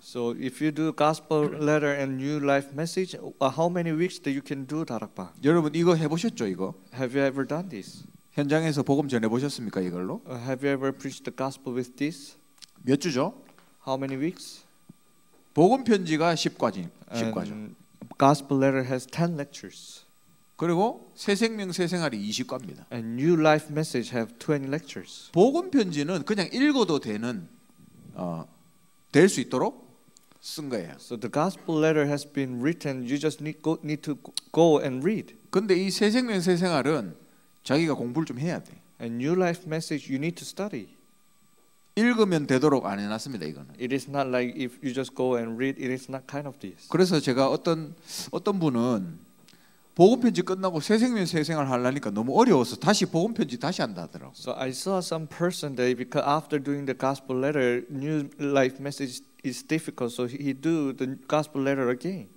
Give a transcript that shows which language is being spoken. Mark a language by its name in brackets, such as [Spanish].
[English] So if you do gospel letter and new life message, how many weeks that you can do Darakbang? [Korean] 여러분 이거 해보셨죠 이거? [English] Have you ever done this? [Korean] 현장에서 복음 전해보셨습니까 이걸로? [English] Have you ever preached the gospel with this? [Korean] 몇 주죠? [English] How many weeks? [Korean] 복음 편지가 10과죠. [English] Gospel letter has 10 lectures. [Korean] 그리고 새 생명 새 생활이 20과입니다. [English] And new life message have 20 lectures. [Korean] 복음 편지는 그냥 읽어도 되는 될 수 있도록 쓴 거예요. [English] So the gospel letter has been written. You just need to go and read. [Korean] 근데 이 새 생명 새 생활은 자기가 공부를 좀 해야 돼. [English] And new life message you need to study. [Korean] 읽으면 되도록 안 해놨습니다 이거는. [English] It is not like if you just go and read. It is not kind of this. [Korean] 그래서 제가 어떤 분은 복음편지 끝나고 새 생명 새 생활 하려니까 너무 어려워서 다시 복음편지 다시 한다더라고. [English] So I saw some person that because after doing the gospel letter, new life message is difficult, so he do the gospel letter again.